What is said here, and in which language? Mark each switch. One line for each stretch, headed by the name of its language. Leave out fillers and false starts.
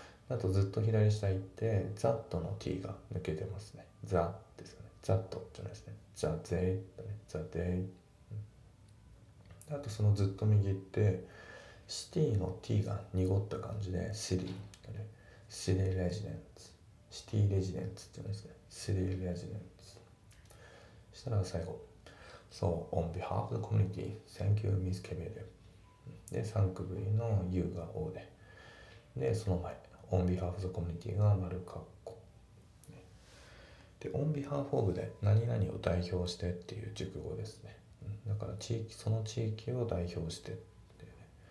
Japanese: あとずっと左下行って、ザットの T が抜けてますね。ザですよね。ザットじゃないですね。ザゼイだね。ザデイ。あとそのずっと右行って、シティの T が濁った感じで、シリーだね。シティレジデンツ。シティレジデンツって言うんですね。シティレジデンツ。したら最後。
English: So, on behalf of the community, thank you, Miss Kemele.
Japanese: で、サンクブイの U が O で。で、その前。
English: On behalf of the community
Japanese: が丸括弧。で、On behalf of で何々を代表してっていう熟語ですね。だから地域、その地域を代表してって、ね。